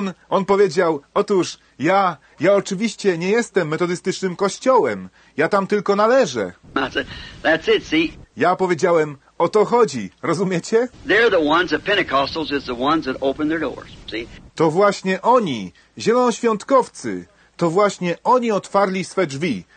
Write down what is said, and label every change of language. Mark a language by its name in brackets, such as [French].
[Polish] On powiedział, otóż ja oczywiście nie jestem metodystycznym kościołem. Ja tam tylko należę. [English] Said, that's it, see? [Polish] Ja powiedziałem, o to chodzi, rozumiecie? [English] They're the ones, the Pentecostals is the ones that open their doors, see? [Polish] To właśnie oni, zielonoświątkowcy, to właśnie oni otwarli swe drzwi.